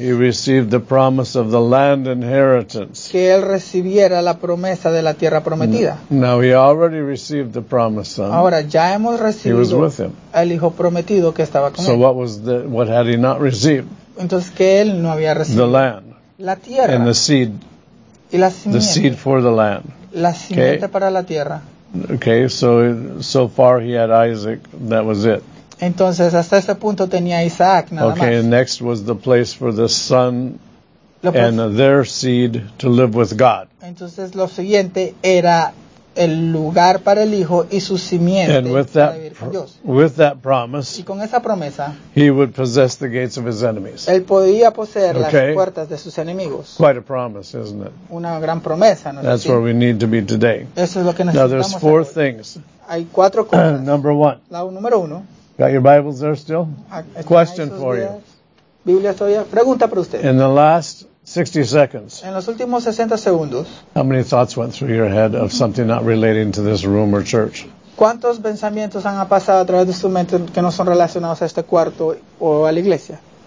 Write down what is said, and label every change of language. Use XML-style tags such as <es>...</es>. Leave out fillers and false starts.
<en>he received the promise of the land inheritance.</en> <es>Que él recibiera la promesa de la tierra prometida.</es> <en>Now he already received the promise.</en> <es>Ahora ya hemos recibido.</es> <en>He was with him.</en> <es>El hijo prometido que estaba con</es> <en>so</en> <es>él.</es> <en>So what was the what had he not received?</en> <es>Entonces que él no había recibido.</es> <en>The land.</en> <es>La tierra.</es> <en>And the seed.</en> <es>Y la simiente.</es> <en>The seed for the land.</en> <es>La simiente okay. Para la tierra.</es> <en>Okay, so far he had Isaac. That was it.</en> <es>Entonces, hasta ese punto tenía Isaac, nada</es> <en>okay, Okay, next was the place for the son and their seed to live with God.</en> <es>Entonces, lo siguiente era el lugar para el hijo y su simiente</es> <en>and with that,</en> <es>para vivir con Dios.</es> <en>With that promise,</en> <es>y con esa promesa,</es> <en>he would possess the gates of his enemies.</en> <es>Él podía poseer okay. Las puertas de sus enemigos.</es> <en>Quite a promise, isn't it?</en> <es>Una gran promesa, ¿no es así?</es> <en>That's where we need to be today.</en> <es>Eso es lo que necesitamos.</es> <en>Now, there's four things.</en> <es>Hay cuatro cosas.</es> <en>Number one.</en> <es>La número uno.</es> <en>Got your Bibles there still? Question for you.</en> <es>Biblia todavía. Pregunta para usted.</es> <en>In the last 60 seconds.</en> <es>En los últimos 60 segundos.</es> <en>How many thoughts went through your head of something not relating to this room or church?</en> <es>¿Cuántos pensamientos han pasado a través de su mente que no son relacionados a este cuarto o a la iglesia?</es>